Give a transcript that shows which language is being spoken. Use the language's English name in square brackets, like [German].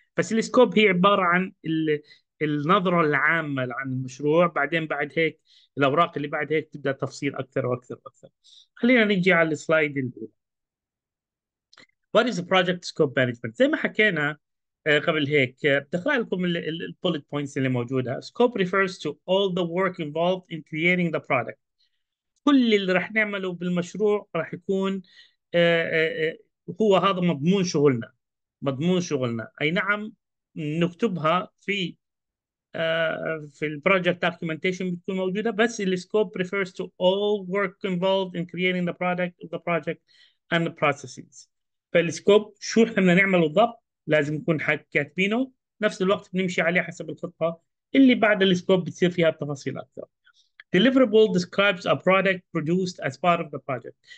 [Arabic] بس السكوب هي عباره عن النظره العامه عن المشروع، بعدين بعد هيك الاوراق اللي بعد هيك تبدا تفصيل اكثر واكثر واكثر. خلينا نيجي على السلايد الاولى. [English] What is the project scope management؟ [Arabic] زي ما حكينا قبل هيك بقرأ لكم ال bullet points اللي موجودة. [English] Scope refers to all the work involved in creating the product. [Arabic] كل اللي راح نعمله بالمشروع راح يكون هو هذا مضمون شغلنا. مضمون شغلنا، أي نعم نكتبها في [English] ال project documentation [Arabic] بتكون موجودة، بس ال [English] scope refers to all work involved in creating the product of the project and the processes. [Arabic] فالسكوب شو احنا بدنا نعمله بالضبط لازم نكون كاتبينه، نفس الوقت بنمشي عليه حسب الخطه اللي بعد السكوب بتصير فيها التفاصيل اكثر. [English] Deliverable describes a product produced as part of the project.